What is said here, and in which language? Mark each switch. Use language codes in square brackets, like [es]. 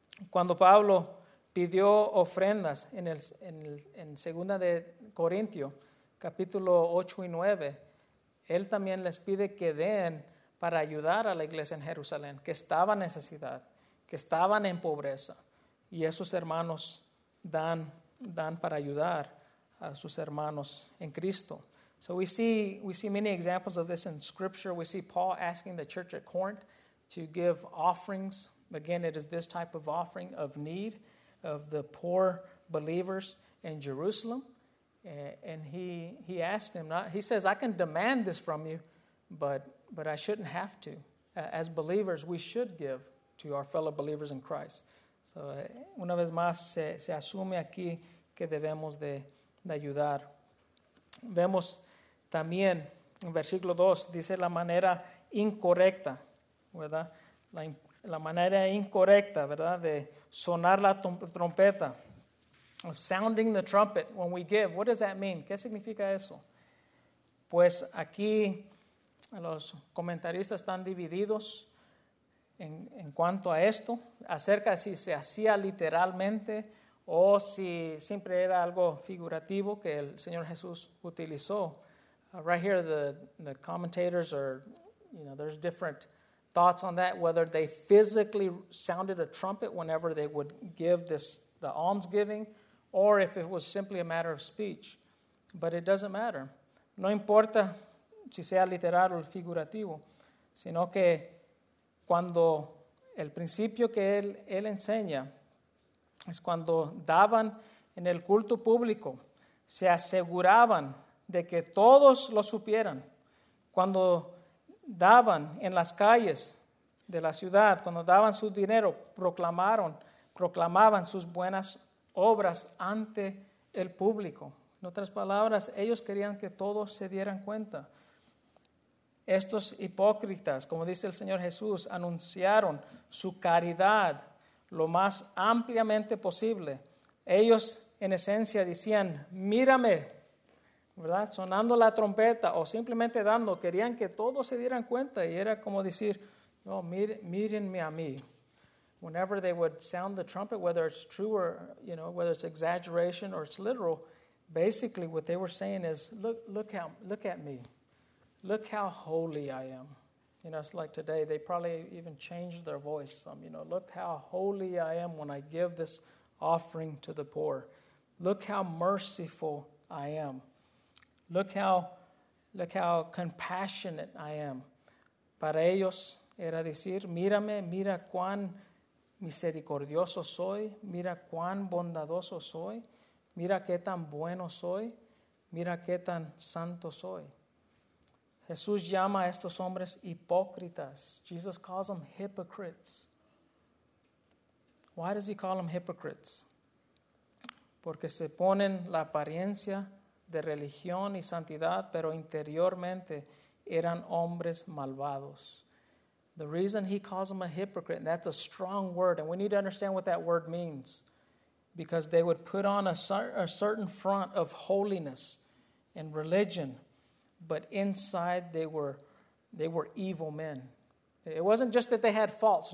[es] Cuando Pablo pidió ofrendas en Segunda de Corintio, capítulo 8 y 9, él también les pide que den para ayudar a la iglesia en Jerusalén, que estaba en necesidad, que estaban en pobreza. Y esos hermanos dan para ayudar a sus hermanos en Cristo. [en] So we see many examples of this in Scripture. We see Paul asking the church at Corinth to give offerings. Again, it is this type of offering of need of the poor believers in Jerusalem. And he asked him, not, he says, I can demand this from you, but I shouldn't have to. As believers, we should give to our fellow believers in Christ. [es] So, una vez más, se asume aquí que debemos de ayudar. Vemos también, en versículo 2, dice la manera incorrecta, ¿verdad? La manera incorrecta, ¿verdad?, de sonar la trompeta. [en] of sounding the trumpet when we give. What does that mean? [es] ¿Qué significa eso? Pues aquí los comentaristas están divididos en cuanto a esto, acerca de si se hacía literalmente o si siempre era algo figurativo que el Señor Jesús utilizó. [en] Right here, the commentators are, you know, there's different thoughts on that, whether they physically sounded a trumpet whenever they would give this, the almsgiving, or if it was simply a matter of speech. But it doesn't matter. [es] No importa si sea literal o figurativo, sino que cuando el principio que él enseña es cuando daban en el culto público, se aseguraban de que todos lo supieran. Cuando daban en las calles de la ciudad, cuando daban su dinero, proclamaban sus buenas obras ante el público. En otras palabras, ellos querían que todos se dieran cuenta. Estos hipócritas, como dice el Señor Jesús, anunciaron su caridad lo más ampliamente posible. Ellos, en esencia, decían, mírame, ¿verdad? Sonando la trompeta o simplemente dando, querían que todos se dieran cuenta y era como decir, oh, mírenme a mí. [en] Whenever they would sound the trumpet, whether it's true or, you know, whether it's exaggeration or it's literal, basically what they were saying is, look at me. Look how holy I am. You know, it's like today, they probably even changed their voice. You know, look how holy I am when I give this offering to the poor. Look how merciful I am. Look how compassionate I am. [es] Para ellos era decir, mírame, mira cuán misericordioso soy, mira cuán bondadoso soy, mira qué tan bueno soy, mira qué tan santo soy. Jesús llama a estos hombres hipócritas. [en] Jesus calls them hypocrites. Why does he call them hypocrites? [es] Porque se ponen la apariencia de religión y santidad, pero interiormente eran hombres malvados. [en] The reason he calls them a hypocrite, and that's a strong word, and we need to understand what that word means, because they would put on a certain front of holiness and religion, but inside they were evil men. It wasn't just that they had faults.